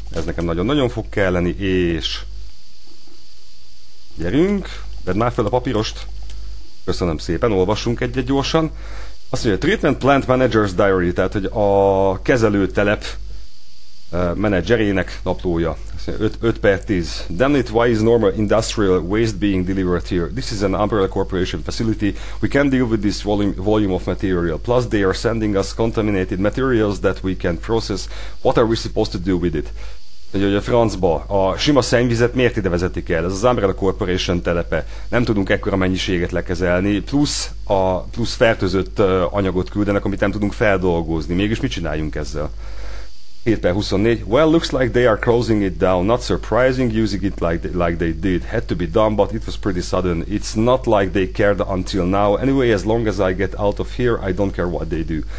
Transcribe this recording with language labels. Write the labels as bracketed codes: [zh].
[hu] Ez nekem nagyon-nagyon fog kelleni, és... Gyerünk! Vedd már fel a papírost! Köszönöm szépen, olvassunk egyet gyorsan. Azt mondja, [en] Treatment Plant Manager's Diary, [hu] tehát hogy a kezelőtelep menedzserének naplója. Azt mondja, 5/10. [en] Damn it, why is normal industrial waste being delivered here? This is an Umbrella Corporation facility. We can't deal with this volume of material. Plus they are sending us contaminated materials that we can't process. What are we supposed to do with it? [hu] Mondja, hogy a francba, a sima szennyvizet miért ide vezetik el? Ez az Umbrella Corporation telepe. Nem tudunk ekkora mennyiséget lekezelni, plusz fertőzött anyagot küldenek, amit nem tudunk feldolgozni. Mégis mit csináljunk ezzel? 7/24. [en] Well, looks like they are closing it down. Not surprising, using it like they did. Had to be done, but it was pretty sudden. It's not like they cared until now. Anyway, as long as I get out of here, I don't care what they do.